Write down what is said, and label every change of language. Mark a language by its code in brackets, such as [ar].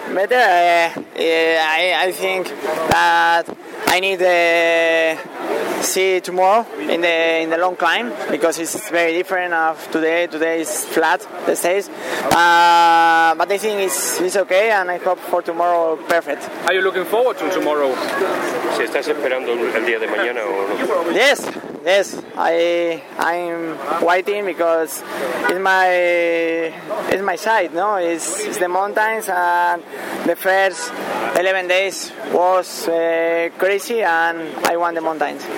[en] I think that I need to see tomorrow in the long climb because it's very different of today. Today is flat the stage, but I think it's okay and I hope for tomorrow perfect. Are you looking forward to tomorrow? [es] ¿Si estás esperando el día de mañana o no? [en] Yes, I'm waiting because it's my side, no? It's the mountains and the first 11 days was crazy and I won the mountains.